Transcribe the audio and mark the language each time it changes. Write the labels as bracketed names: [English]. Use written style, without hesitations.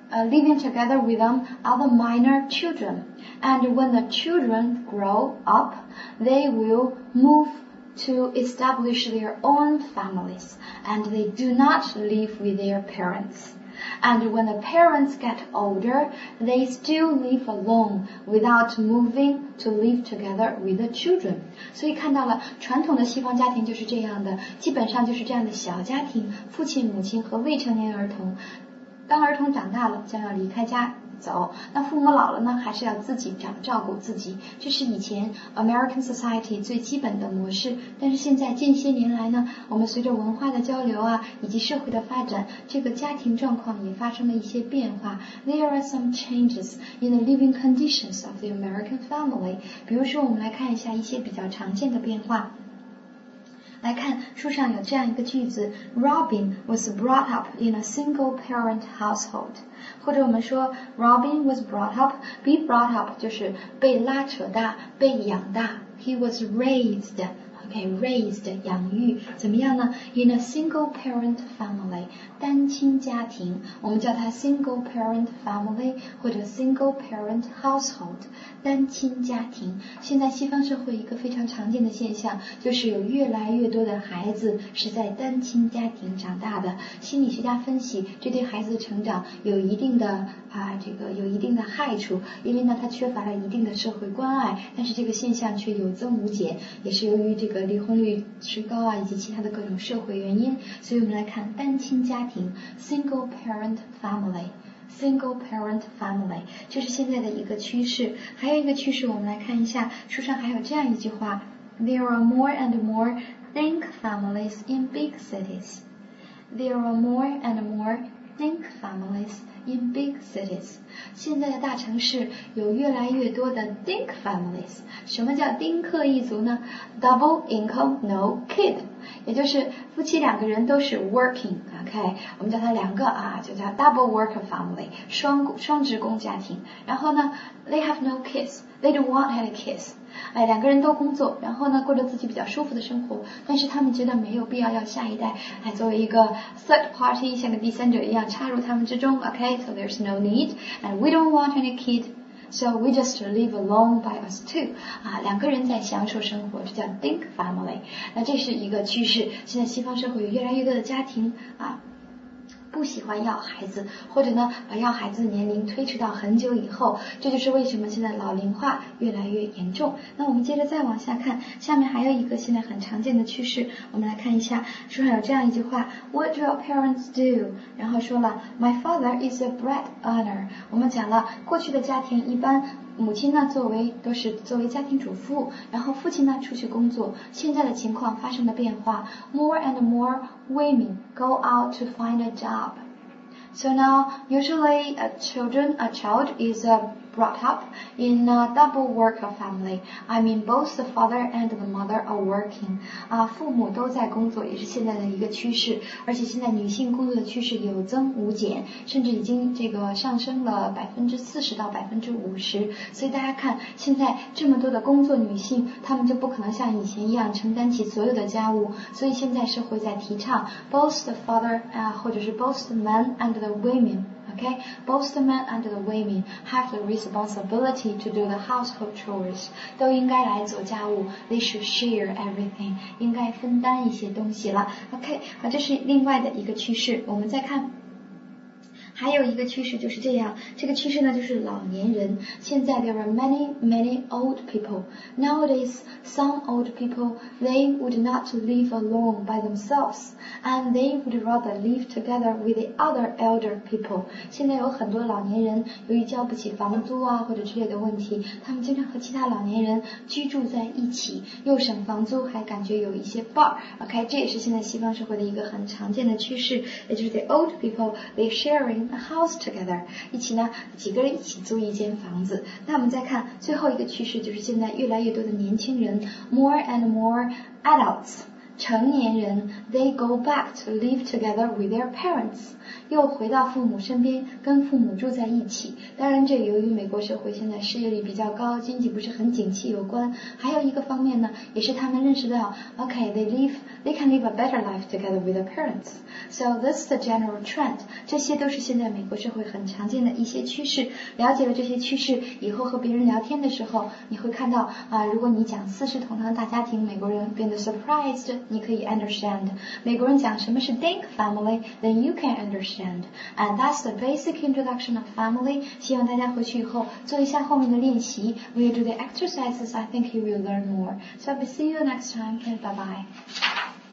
[English] living together with them are the minor children， and when the children grow up they will move to establish their own families and they do not live with their parentsAnd when the parents get older, they still live alone without moving to live together with the children. [Chinese] 所以看到了传统的西方家庭就是这样的，基本上就是这样的小家庭，父亲、母亲和未成年儿童。当儿童长大了，将要离开家走，那父母老了呢，还是要自己照顾自己。这是以前 [English] American society [Chinese] 最基本的模式。但是现在近些年来呢，我们随着文化的交流啊，以及社会的发展，这个家庭状况也发生了一些变化。 [English] There are some changes in the living conditions of the American family. [Chinese] 比如说，我们来看一下一些比较常见的变化。来看书上有这样一个句子， [English] Robin was brought up in a single parent household， [Chinese] 或者我们说 [English] Robin was brought up， be brought up [Chinese] 就是被拉扯大被养大， [English] he was raised， Okay, raised, [Chinese] 养育，怎么样呢 [English] ？In a single parent family, [Chinese] 单亲家庭，我们叫它 [English] single parent family 或者 single parent household, [Chinese] 单亲家庭。现在西方社会一个非常常见的现象，就是有越来越多的孩子是在单亲家庭长大的。心理学家分析，这对孩子的成长有一定的有一定的害处，因为呢，他缺乏了一定的社会关爱，但是这个现象却有增无减，也是由于这个离婚率之高啊，以及其他的各种社会原因。所以我们来看单亲家庭 ， [English] single parent family，single parent family， [Chinese] 这是现在的一个趋势。还有一个趋势，我们来看一下，书上还有这样一句话 ： [English] There are more and more think families in big cities. There are more and more think families in big cities. [Chinese] 现在的大城市有越来越多的 think families. 什么叫丁克一族呢 ？ [English] Double income, no kid. [Chinese] 也就是夫妻两个人都是 working. OK, 我们叫它两个啊，就叫 double work family, 双职工家庭。然后呢 [English] ，they have no kids. They don't want any kids. [Chinese] 哎，两个人都工作，然后呢，过着自己比较舒服的生活，但是他们觉得没有必要要下一代，哎，作为一个 third party， 像个第三者一样插入他们之中 ， [English] OK， so there's no need， and we don't want any kid， so we just live alone by us too， [Chinese] 啊，两个人在享受生活，这叫 think family， 那这是一个趋势，现在西方社会有越来越多的家庭啊。不喜欢要孩子，或者呢把要孩子的年龄推迟到很久以后，这就是为什么现在老龄化越来越严重。那我们接着再往下看，下面还有一个现在很常见的趋势，我们来看一下，书上有这样一句话 [English] What do your parents do? [Chinese] 然后说了 [English] My father is a bread earner. [Chinese] 我们讲了过去的家庭一般母亲呢都是作为家庭主妇，然后父亲呢出去工作。现在的情况发生了变化， [English] more and more women go out to find a job. So now usually a child is brought up in a double worker family. I mean both the father and the mother are working. [Chinese] 父母都在工作也是现在的一个趋势，而且现在女性工作的趋势有增无减，甚至已经这个上升了40%到50%。所以大家看，现在这么多的工作女性，她们就不可能像以前一样承担起所有的家务，所以现在社会在提倡 [English] both the father, [Chinese] 或者是 [English] both the men and the women. Okay, both the men and the women have the responsibility to do the household chores. [Chinese] 都应该来做家务。 [English] They should share everything. [Chinese] 应该分担一些东西了。 Okay, 好，这是另外的一个趋势。我们再看。还有一个趋势就是这样，这个趋势呢就是老年人。现在 [English] there are many many old people. Nowadays, some old people they would not live alone by themselves, and they would rather live together with the other elder people. [Chinese] 现在有很多老年人由于交不起房租啊或者之类的问题，他们经常和其他老年人居住在一起，又省房租还感觉有一些伴儿。 OK, 这也是现在西方社会的一个很常见的趋势，也就是 [English] the old people they sharing. A house together, [Chinese] 一起呢，几个人一起租一间房子。那我们再看最后一个趋势，就是现在越来越多的年轻人 ， [English] more and more adults, [Chinese] 成年人 ， [English] they go back to live together with their parents, [Chinese] 又回到父母身边，跟父母住在一起。当然，这由于美国社会现在失业率比较高，经济不是很景气有关。还有一个方面呢，也是他们认识到 [English] ，okay, they can live a better life together with their parents. So this is the general trend. [Chinese] 这些都是现在美国社会很常见的一些趋势。了解了这些趋势以后，和别人聊天的时候，你会看到如果你讲四世同堂的大家庭，美国人变得 surprised, 你可以 understand. 美国人讲什么是 [English] think family, then you can understand. And that's the basic introduction of family. [Chinese] 希望大家回去以后做一下后面的练习。 [English] When you do the exercises, I think you will learn more. So I'll see you next time. Okay, bye bye.